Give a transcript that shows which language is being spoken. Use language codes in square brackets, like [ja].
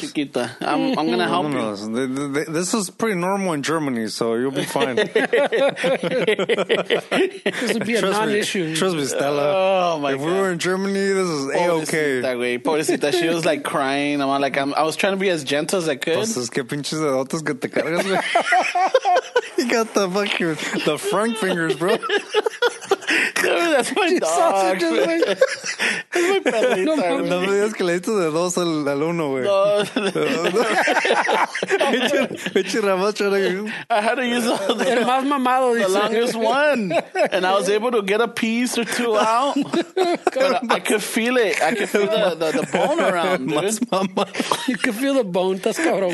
[en] Chiquita. I'm going to help you. This is pretty normal in Germany, so you'll be fine. This would be trust a non-issue. Me. Trust me, Stella. Oh, my if God. If we were in Germany, this is A-okay. Pobrecita, she was like crying. I'm like, I was trying to be as gentle as I could. [es] Pues es que pinches de otros que te cargas, güey. [en] You got the fucking, the Frank fingers, bro. Dude, that's my dog. [es] Es mi perrita. No me digas que le diste de dos al uno. [en] I had to use the longest one, and I was able to get a piece or two out. But I could feel it. I could feel the bone around. You could feel the bone. That's cabrón.